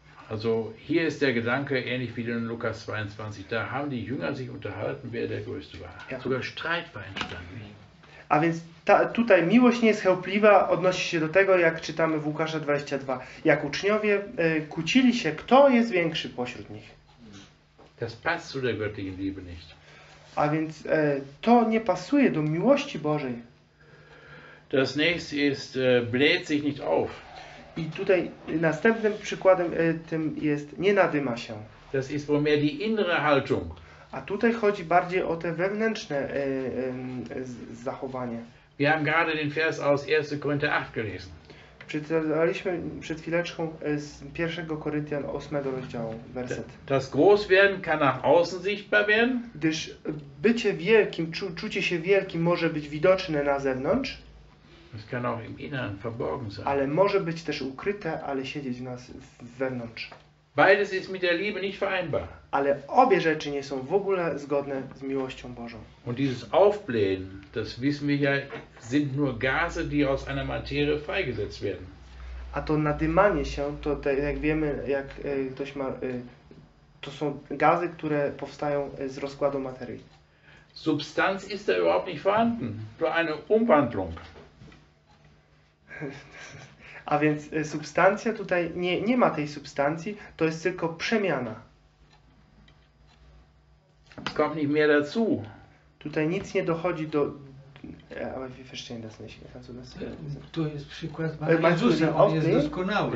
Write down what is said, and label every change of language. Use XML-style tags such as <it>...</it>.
<de>Also hier ist der Gedanke ähnlich wie in Lukas 22. Da haben die Jünger sich unterhalten, wer der Größte war. Ja. Sogar Streit war entstanden.</de> <pl>A więc tutaj miłość nie jest chełpliwa, odnosi się do tego, jak czytamy w Łukasza 22. Jak uczniowie kłócili się, kto jest większy pośród nich.</pl> <de>Das passt zu der göttlichen Liebe nicht.</de> <pl>A więc to nie pasuje do miłości Bożej.</pl> <de>Das nächste ist, bläht sich nicht auf.</de> <pl>I tutaj następnym przykładem tym jest, nie nadyma się.</pl> <de>Das ist wohl mehr die innere Haltung.</de> <pl>A tutaj chodzi bardziej o te wewnętrzne zachowanie.</pl> <de>Wir haben gerade den Vers aus 1. Korinther 8 gelesen.</de> <pl>Czytaliśmy przed chwileczką z 1. Koryntian 8 rozdziału, werset.</pl> <de>Das Großwerden kann nach außen sichtbar werden.</de> <pl>Gdyż bycie wielkim, czucie się wielkim może być widoczne na zewnątrz.</pl> <de>Es kann auch im Inneren verborgen sein.</de> <pl>Ale może być też ukryte, ale siedzieć w nas wewnątrz.</pl> <de>Beides ist mit der Liebe nicht vereinbar.</de> <pl>Ale obie rzeczy nie są w ogóle zgodne z miłością Bożą.</pl> <de>Und dieses Aufblähen, das wissen wir ja, sind nur Gase, die aus einer Materie freigesetzt werden.</de> <pl>A to nadymanie się, to jak wiemy, jak ktoś ma, to są gazy, które powstają z rozkładu materii.</pl> <de>Substanz ist da überhaupt nicht vorhanden, nur eine Umwandlung.</de> <pl>A więc substancja tutaj nie ma tej substancji, to jest tylko przemiana.</pl> <de>Kommt nicht mehr dazu.</de> <pl>Tutaj nic nie dochodzi do.</pl> <de>Aber wie verstehen das nicht?</de> <pl>To jest przykład Pana Jezusa, on jest doskonały.</pl>